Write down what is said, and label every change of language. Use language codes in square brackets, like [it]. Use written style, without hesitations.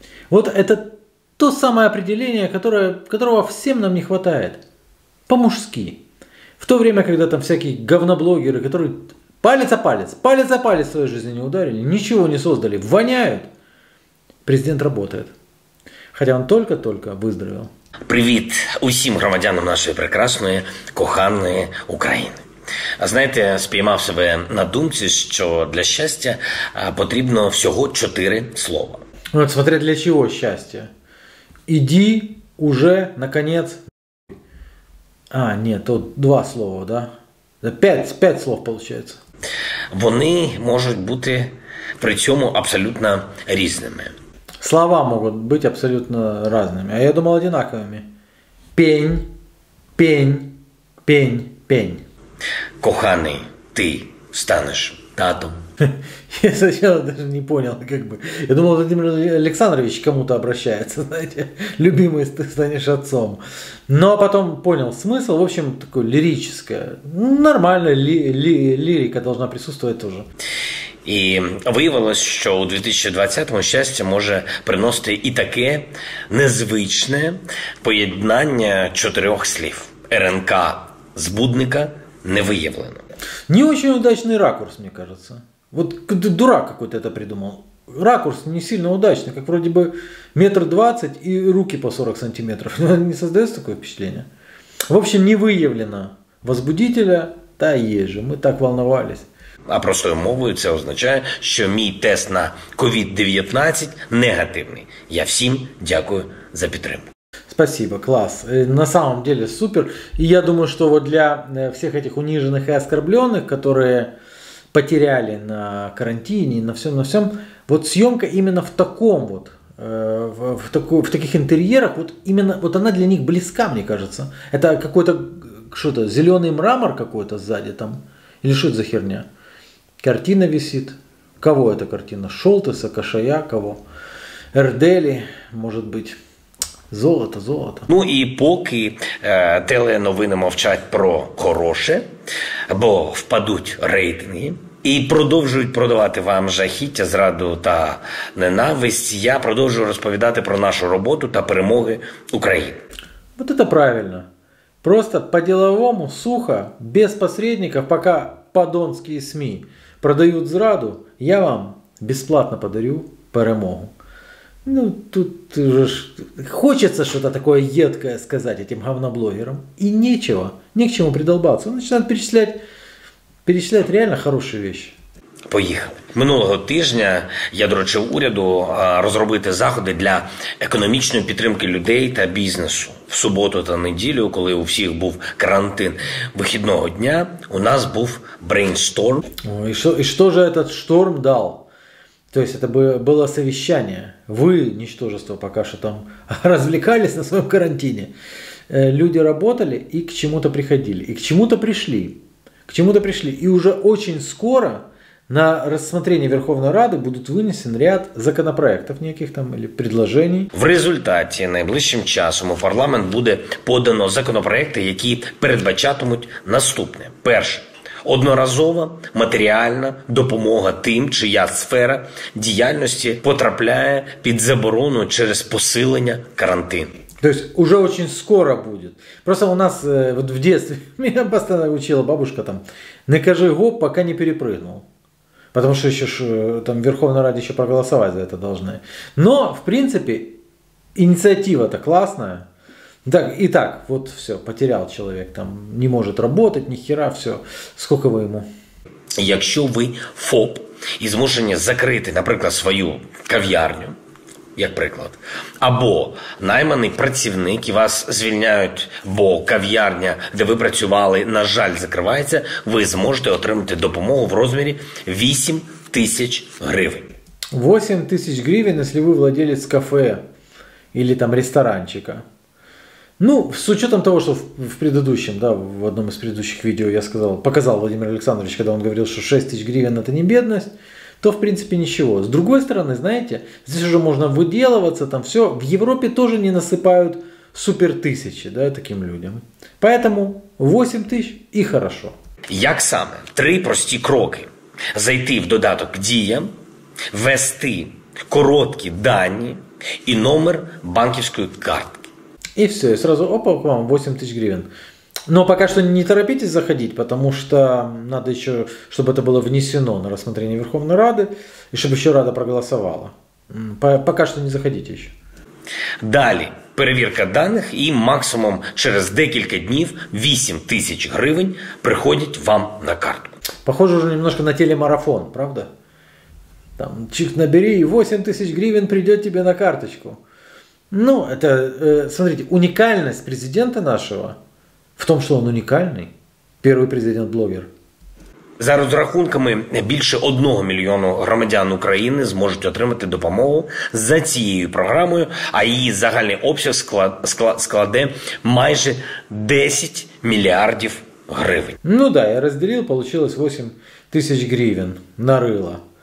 [ru] Вот это то самое определение, которого всем нам не хватает. По-мужски. В то время, когда там всякие говноблогеры, которые палец о палец в своей жизни не ударили, ничего не создали, воняют. Президент работает. Хотя он только-только выздоровел. [uk] Привіт усім громадянам нашої прекрасної, коханої України. Знаєте, спіймав себе на думці, що для щастя потрібно всього 4 слова. Ну, от смотри, для чого щастя? Іди уже, наконець. А, ні, тут 2 слова, да? 5 слов, виходить. Вони можуть бути при цьому абсолютно різними. [ru] Слова могут быть абсолютно разными, а я думал одинаковыми. Пень, пень, пень, пень. Коханый, ты станешь татом. Я сначала даже не понял, как бы. Я думал, Владимир Александрович кому-то обращается, знаете. Любимый, ты станешь отцом. Но потом понял смысл, в общем, такое лирическое. Нормальная лирика должна присутствовать тоже. [uk] І виявилось, що у 2020-му щастя може приносити і таке незвичне поєднання 4 слів. РНК збудника не виявлено. Не дуже удачний ракурс, мені кажеться. От дурак якийсь це придумав. Ракурс не сильно удачний, як вроді би 1,20 м і руки по 40 см. Не создає таке впечатлення? В общем, не виявлено возбудителя, та є же, ми так волнувалися. А простою мовою це означає, що мій тест на COVID-19 негативний. Я всім дякую за підтримку. [ru] Спасибо, клас. На самом деле супер. [uk] І я думаю, що вот для всіх цих унижених і оскорблених, які потеряли на карантині, на всьому, вот зйомка іменно в такому вот, в таких інтер'єрах, вот іменно, вот вона для них близька, мені кажеться. [ru] Это какой-то что-то зелёный мрамор какой-то сзади там. Или что это за херня? Картина висит. Кого эта картина? Шолтеса, Кашая, кого? Эрдели, может быть. Золото, золото. [uk] Ну и пока теленовини мовчать про хороше, бо впадуть рейтинги [ru] и продолжают продавать вам [uk] жахіття, зраду та ненависть, [ru] я продолжу [uk] розповідати про нашу роботу та перемоги України. [ru] Вот это правильно. Просто по-деловому, сухо, без посредников, пока подонские СМИ продают зраду, я вам бесплатно подарю перемогу. Ну, тут уже хочется что-то такое едкое сказать этим говноблогерам. И нечего, не к чему придолбаться. Он начинает перечислять реально хорошие вещи. [uk] Поїхали. Минулого тижня я доручив уряду розробити заходи для економічної підтримки людей та бізнесу. В суботу та неділю, коли у всіх був карантин вихідного дня, у нас був брейнсторм. І що ж этот шторм дав? Тобто це було совещання. Ви, нічтожество, поки що там розвлекались на своєму карантині. Люди працювали і к чому-то приходили. І к чому-то прийшли. К чому-то прийшли. І вже дуже скоро [ru] на рассмотрение Верховной Рады будут вынесен ряд законопроектов неких там или предложений. [uk] В результате найближчим часом у парламент буде подано законопроекти, які передбачатимуть наступне. Перше. Одноразова матеріальна допомога тим, чия сфера діяльності потрапляє під заборону через посилення карантину. [ru] То есть уже очень скоро будет. Просто у нас вот в детстве меня постоянно учила бабушка там: не кажи гоп, пока не перепрыгнул. Потому что еще там Верховная Рада еще проголосовать за это должны. Но, в принципе, инициатива-то классная. Так, и так, вот все, потерял человек, там не может работать, ни хера, все. Сколько вы ему? Если вы ФОП и змушені закрыть, например, свою кав'ярню, [uk] як приклад. Або найманий працівник і вас звільняють, бо кав'ярня, де ви працювали, на жаль, закривається, ви зможете отримати допомогу в розмірі 8 тисяч гривень. 8 тисяч гривень, якщо ви владелець кафе або там ресторанчика. Ну, з учетом того, що в одному з предыдущих відео я сказав, показав Владимир Олександрович, коли він говорив, що 6 тисяч гривень – це не бідність, [ru] то в принципе ничего. С другой стороны, знаете, здесь уже можно выделываться, там все. В Европе тоже не насыпают супер тысячи, да, таким людям. Поэтому 8 тысяч и хорошо. [uk] Як саме? Три прості кроки. Зайти в додаток «Діям», ввести короткі дані і номер банківської картки. І все, і сразу опа, к вам 8 тисяч гривен. [ru] Но пока что не торопитесь заходить, потому что надо еще, чтобы это было внесено на рассмотрение Верховной Рады, и чтобы еще Рада проголосовала. Пока что не заходите еще. [uk] Далее, перевірка даних, и максимум через декілька днів 8 тисяч гривень приходить вам на картку. [ru] Похоже уже немножко на телемарафон, правда? Там, чик набери, и 8 тисяч гривень придет тебе на карточку. Ну, это, смотрите, [uk] унікальність президента нашого [ru] в том, что он уникальный, первый президент-блогер. [uk] За розрахунками, більше 1 мільйону громадян України зможуть отримати допомогу за цією програмою, а її загальний обсяг складе майже 10 мільярдів гривень. Ну да, я розділив, вийшло 8 тисяч гривень на рило.